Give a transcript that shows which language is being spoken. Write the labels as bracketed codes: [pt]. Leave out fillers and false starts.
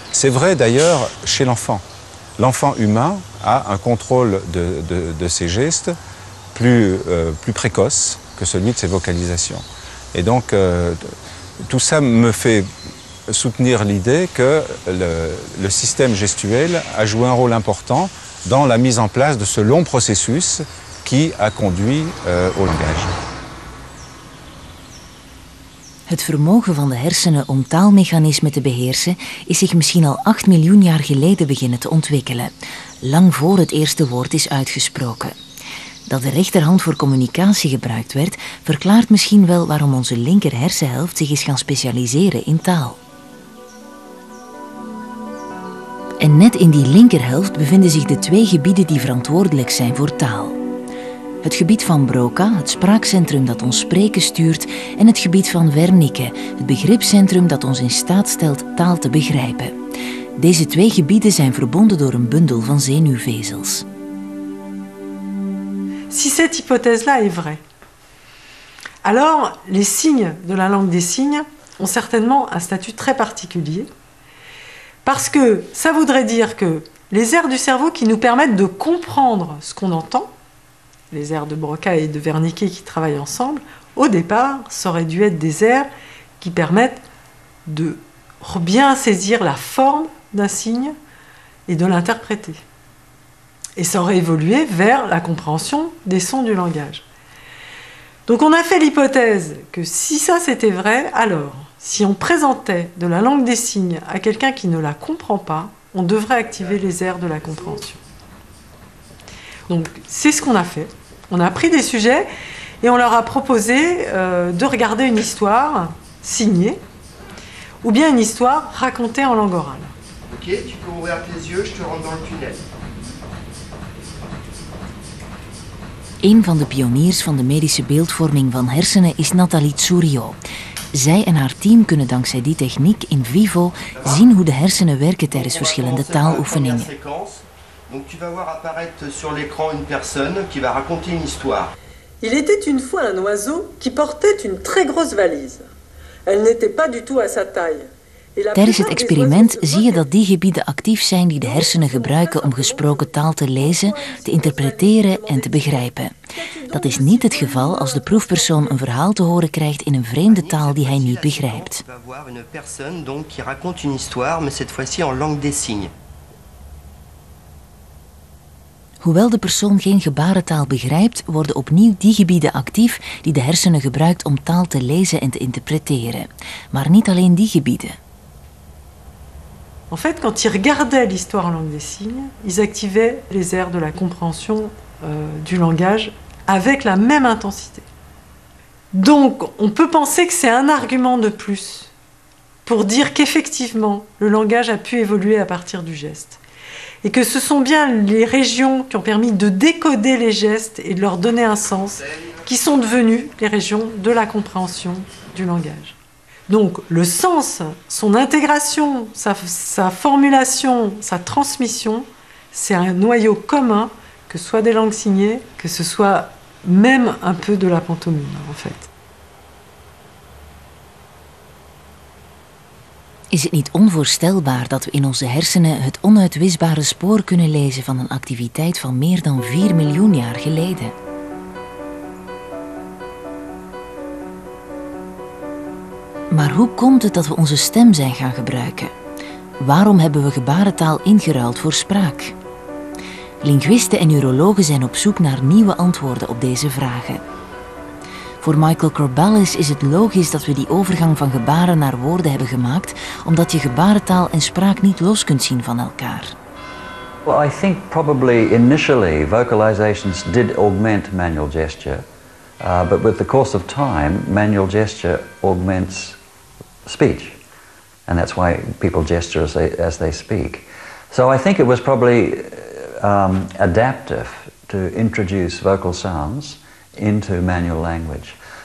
[fr] C'est vrai d'ailleurs chez l'enfant. L'enfant humain a un contrôle de ses gestes plus précoce que celui de ses vocalisations. Et donc, tout ça me fait soutenir l'idée que le système gestuel a joué un rôle important dans la mise en place de ce long processus qui a conduit au langage. [nl] Het vermogen van de hersenen om taalmechanismen te beheersen is zich misschien al 8 miljoen jaar geleden beginnen te ontwikkelen, lang voor het eerste woord is uitgesproken. Dat de rechterhand voor communicatie gebruikt werd, verklaart misschien wel waarom onze linker hersenhelft zich is gaan specialiseren in taal. En net in die linkerhelft bevinden zich de twee gebieden die verantwoordelijk zijn voor taal. Het gebied van Broca, het spraakcentrum dat ons spreken stuurt, en het gebied van Wernicke, het begripcentrum dat ons in staat stelt taal te begrijpen. Deze twee gebieden zijn verbonden door een bundel van zenuwvezels. [fr] si cette hypothèse-là est vraie, alors les signes de la langue des signes ont certainement un statut très particulier, parce que ça voudrait dire que les aires du cerveau qui nous permettent de comprendre ce qu'on entend, les aires de Broca et de Wernicke qui travaillent ensemble, au départ, ça aurait dû être des aires qui permettent de bien saisir la forme d'un signe et de l'interpréter. Et ça aurait évolué vers la compréhension des sons du langage. Donc on a fait l'hypothèse que si ça c'était vrai, alors, si on présentait de la langue des signes à quelqu'un qui ne la comprend pas, on devrait activer les aires de la compréhension. Donc c'est ce qu'on a fait. On a pris des sujets et on leur a proposé de regarder une histoire signée ou bien une histoire racontée en langue orale. Ok, tu peux ouvrir tes yeux, je te rentre dans le tunnel. [nl] Een van de pioniers van de medische beeldvorming van hersenen is Nathalie Tsourio. Zij en haar team kunnen dankzij die techniek in vivo zien hoe de hersenen werken tijdens verschillende taaloefeningen. [fr] Donc tu vas voir apparaître sur l'écran une personne qui va raconter une histoire. Il était une fois un oiseau qui portait une très grosse valise. Elle n'était pas du tout à sa taille. [nl] Tijdens het experiment zie je dat die gebieden actief zijn die de hersenen gebruiken om gesproken taal te lezen, te interpreteren en te begrijpen. Dat is niet het geval als de proefpersoon een verhaal te horen krijgt in een vreemde taal die hij niet begrijpt. Je vais voir une personne donc qui raconte une histoire, mais cette fois-ci en langue des signes. Hoewel de persoon geen gebarentaal begrijpt, worden opnieuw die gebieden actief die de hersenen gebruikt om taal te lezen en te interpreteren. Maar niet alleen die gebieden. [fr] En fait, quand ils regardaient l'histoire en langue des signes, ils activaient les aires de la compréhension du langage avec la même intensité. Donc, on peut penser que c'est un argument de plus pour dire qu'effectivement, le langage a pu évoluer à partir du geste. Et que ce sont bien les régions qui ont permis de décoder les gestes et de leur donner un sens qui sont devenues les régions de la compréhension du langage. Donc le sens, son intégration, sa formulation, sa transmission, c'est un noyau commun, que ce soit des langues signées, que ce soit même un peu de la pantomime en fait. [nl] Is het niet onvoorstelbaar dat we in onze hersenen het onuitwisbare spoor kunnen lezen van een activiteit van meer dan 4 miljoen jaar geleden? Maar hoe komt het dat we onze stem zijn gaan gebruiken? Waarom hebben we gebarentaal ingeruild voor spraak? Linguisten en neurologen zijn op zoek naar nieuwe antwoorden op deze vragen. Voor Michael Corbalis is het logisch dat we die overgang van gebaren naar woorden hebben gemaakt, omdat je gebarentaal en spraak niet los kunt zien van elkaar. [en] Well, I think probably initially vocalizations did augment manual gesture, but with the course of time, manual gesture augments speech, and that's why people gesture as they speak. So I think it was probably adaptive to introduce vocal sounds into manual language.